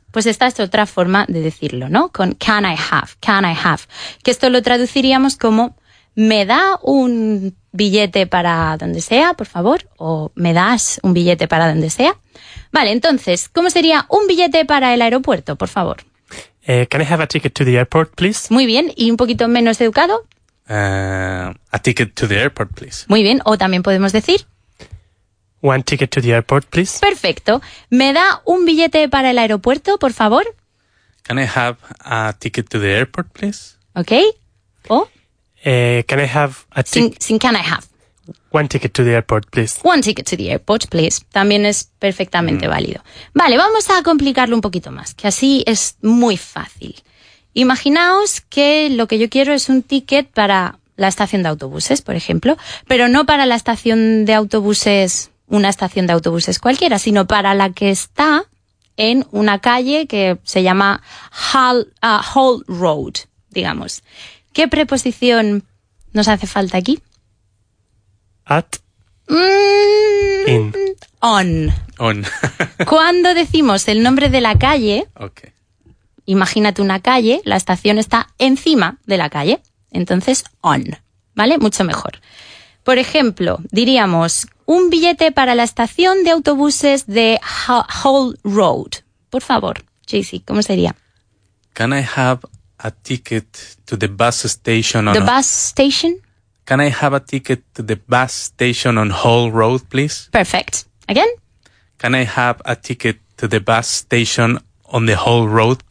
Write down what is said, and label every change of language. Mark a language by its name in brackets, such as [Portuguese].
[Spanish] Pues esta es otra forma de decirlo, ¿no? Con [English] can I have, can I have. [Spanish] Que esto lo traduciríamos como ¿me da un billete para donde sea, por favor? O ¿me das un billete para donde sea? Vale, entonces, ¿cómo sería un billete para el aeropuerto, por favor? [English] Can I have a ticket to the airport, please? [Spanish] Muy bien. ¿Y un poquito menos educado? [English] A ticket to the airport, please. [Spanish] Muy bien. O también podemos decir... [English] One ticket to the airport, please. [Spanish] Perfecto. ¿Me da un billete para el aeropuerto, por favor? [English] Can I have a ticket to the airport, please? Okay. ¿O? Can I have a ticket... [Spanish] Sin [English] can I have. One ticket to the airport, please. One ticket to the airport, please. [Spanish] También es perfectamente válido. Vale, vamos a complicarlo un poquito más, que así es muy fácil. Imaginaos que lo que yo quiero es un ticket para la estación de autobuses, por ejemplo, pero no para la estación de autobuses... una estación de autobuses cualquiera, sino para la que está en una calle que se llama Hall Road, digamos. ¿Qué preposición nos hace falta aquí? [English] At. In. On. [Spanish] Cuando decimos el nombre de la calle, [English] okay. [Spanish] Imagínate una calle, la estación está encima de la calle, entonces on, ¿vale? Mucho mejor. Por ejemplo, diríamos... Un billete para la estación de autobuses de Hall Road. Por favor, JC, ¿cómo sería? [English] Can I have a ticket to the bus station on... The bus station? Can I have a ticket to the bus station on Hall Road, please? Perfect. Again? Can I have a ticket to the bus station on the whole road.